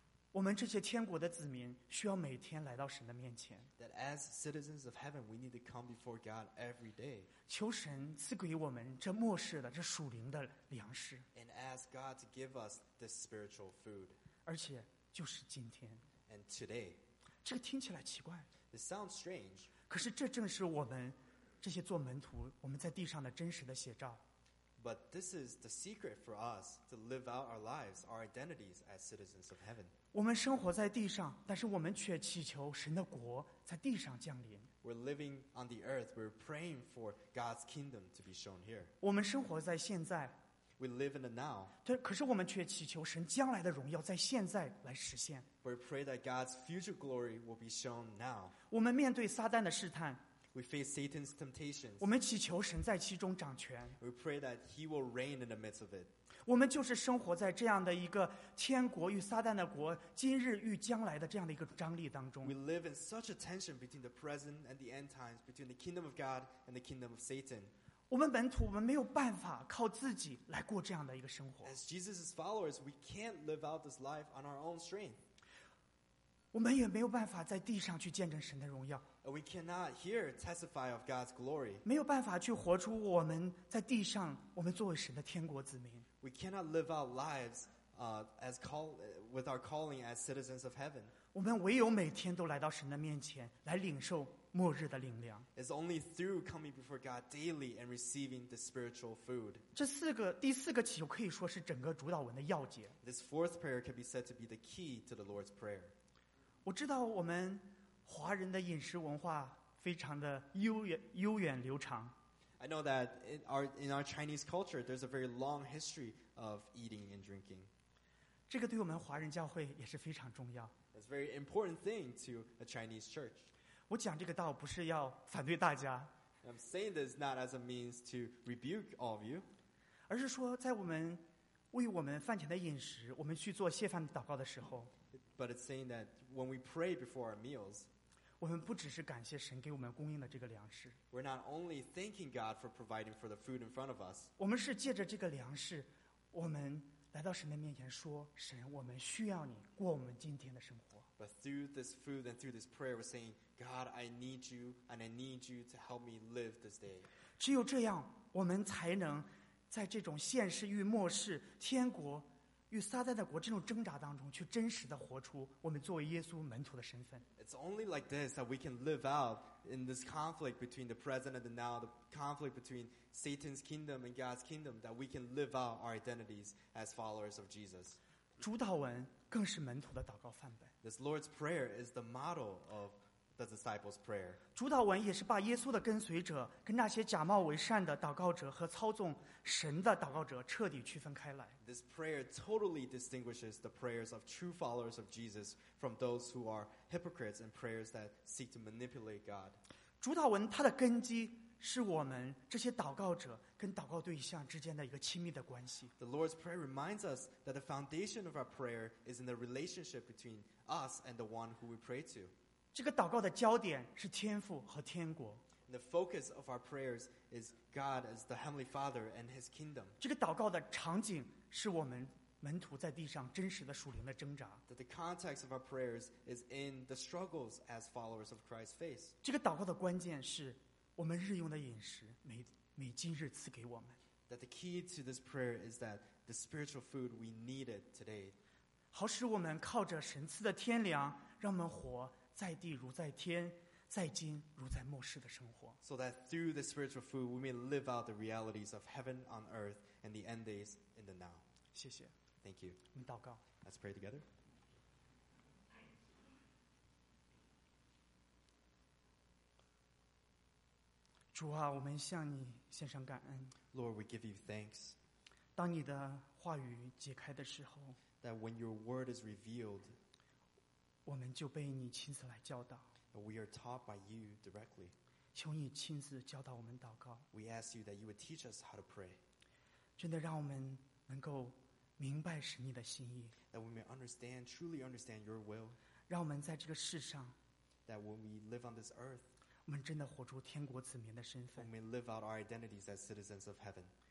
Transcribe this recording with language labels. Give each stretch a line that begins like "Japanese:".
Chinese: 我们这些天国的子民需要每天来到神的面前
English: That as citizens of heaven we need to come before God every day
Chinese: 求神赐给我们这末世的这属灵的粮食
English: and ask God to give us this spiritual food
Chinese: 而且就是今天
English: and today
Chinese: 这个听起来奇怪
English: it sounds strange
Chinese: 可是这正是我们这些做门徒我们在地上的真实的写照
English: but this is the secret for us to live out our lives our identities as citizens of heaven
Chinese: 我们生活在地上但是我们却祈求神的国在地上降临
English: We're living on the earth. We're praying for God's kingdom to be shown here.
Chinese: 我们生活在现在。
English: We live in the now.
Chinese: 对，可是我们却祈求神将来的荣耀在现在来实现。
English: We pray that God's future glory will be shown now.
Chinese: 我们面对撒旦的试探。
English: We face Satan's temptations.
Chinese: 我们祈求神在其中掌权。
English: We pray that He will reign in the midst of it.
Chinese: 我们就是生活在这样的一个天国与撒旦的国，今日与将来的这样的一个张力当中。
English: We live in such a tension between the present and the end times, between the kingdom of God and the kingdom of Satan.
Chinese: 我们本土，我们没有办法靠自己来过这样的一个生活。
English: As Jesus' followers, we can't live out this life on our own strength.
Chinese: 我们也没有办法在地上去见证神的荣耀。
English: We cannot here testify of God's glory.
Chinese: 没有办法去活出我们在地上，我们作为神的天国子民。
English: We cannot live our lives, as call with our calling as citizens of heaven.
Chinese: 我们唯有每天都来到神的面前，来领受末日的灵粮。
English: It's only through coming before God daily and receiving the spiritual food.
Chinese: 这四个第四个祈求可以说是整个主祷文的要节。
English: This fourth prayer can be said to be the key to the Lord's prayer.
Chinese: 我知道我们。华人的饮食文化非常的悠远流长。
English: I know that in our Chinese culture, there's a very long history of eating and drinking.
Chinese: 这个对我们华人教会也是非常重要。
English: It's a very important thing to a Chinese church.
Chinese: 我讲这个道不是要反对大家。
English: I'm saying this not as a means to rebuke all of you.
Chinese: 而是说在我们为我们饭前的饮食，我们去做谢饭祷告的时候。
English: But it's saying that when we pray before our meals,
Chinese: 我们不只是感谢神给我们供应的这个粮食。
English: We're not only thanking God for providing for the food in front of us.
Chinese: 我们是借着这个粮食，我们来到神的面前说：“神，我们需要你过我们今天的生活。”
English: But through this food and through this prayer, we're saying, God, I need you, and I need you to help me live this day.
Chinese: 只有这样，我们才能在这种现世与末世天国。与撒旦的国这种挣扎当中，去真实的活出我们作为耶稣门徒的身份。
English: It's only like this that we can live out in this conflict between the present and the now, the conflict between Satan's kingdom and God's kingdom, that we can live out our identities as followers of Jesus.
Chinese: 主祷文更是门徒的祷告范本。
English: This Lord's prayer is the model of the disciples' prayer.
Chinese: 主祷文也是把耶稣的跟随者跟那些假冒为善的祷告者和操纵神的祷告者彻底区分开来。
English: This prayer totally distinguishes the prayers of true followers of Jesus from those who are hypocrites and prayers that seek to manipulate God.
Chinese: 主祷文它的根基是我们这些祷告者跟祷告对象之间的一个亲密的关系。
English: The Lord's prayer reminds us that the foundation of our prayer is in the relationship between us and the one who we pray to.
Chinese: 这个祷告的焦点是天父和天国。
English: The focus of our prayers is God as the Heavenly Father and His kingdom.
Chinese: 这个祷告的场景是我们门徒在地上真实的属灵的挣扎。
English: The context of our prayers is in the struggles as followers of Christ face.
Chinese: 这个祷告的关键是我们日用的饮食每今日赐给我们。
English: That the key to this prayer is that the spiritual food we needed today.
Chinese: 好使我们靠着神赐的天粮让我们活在地如在天在今如在末世的生活
English: so that through the spiritual food we may live out the realities of heaven on earth and the end days in the now
Chinese: 谢谢
English: Thank you.
Chinese: 我们祷告。
English: Let's pray together.
Chinese: 主啊，我们向你献上感恩。
English: Lord, we give you thanks.
Chinese: 当你的话语解开的时候，
English: that when your word is revealed,
Chinese: 我们就被你亲自来教导。
English: We are taught by you directly.
Chinese: 求你亲自教导我们祷告。
English: We ask you that you would teach us how to pray.
Chinese: 真的让我们能够明白神你的心意。
English: That we may understand, truly understand your will.
Chinese: 让我们在这个世上，
English: that when we live on this earth,
Chinese: 我们真的活出天国子民的身份。
English: We may live out our identities as citizens of heaven.